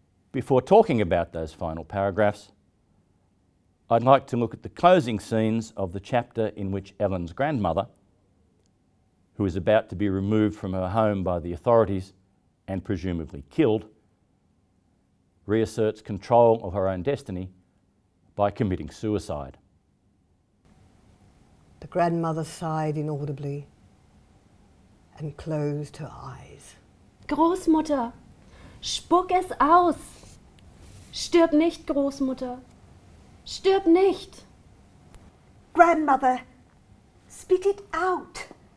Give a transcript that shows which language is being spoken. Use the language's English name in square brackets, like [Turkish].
[English] Before talking about those final paragraphs, I'd like to look at the closing scenes of the chapter in which Ellen's grandmother, who is about to be removed from her home by the authorities and presumably killed, reasserts control of her own destiny by committing suicide. The grandmother sighed inaudibly and closed her eyes. [German] Großmutter, spuck es aus! Stirb nicht, Großmutter! Stirb nicht! [English] Grandmother, spit it out!